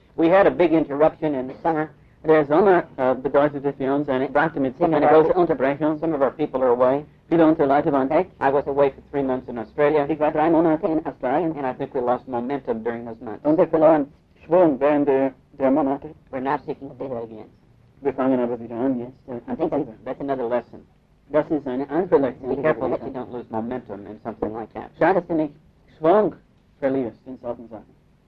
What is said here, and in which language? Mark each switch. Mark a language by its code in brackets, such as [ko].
[en] We had a big interruption in the summer. [de] Der Sommer bedeutete für uns eine brachte mit sich eine große Unterbrechung. [en] Some of our people are away. [de] Viele unserer Leute waren weg. [en] I was away for 3 months in Australia. [de] Ich war 3 Monate in Australien. [en] And I think we lost momentum during those months. [de] Und wir verloren Schwung während der Monate. [en] We're now seeking a bit again. [de] Wir fangen aber wieder an, yes. [en] I think that's another lesson. [de] Das ist eine andere Lektion. [en] Be careful that you don't lose momentum in something like that. [de] Schau, dass du nicht Schwung verlierst in solchen Sachen.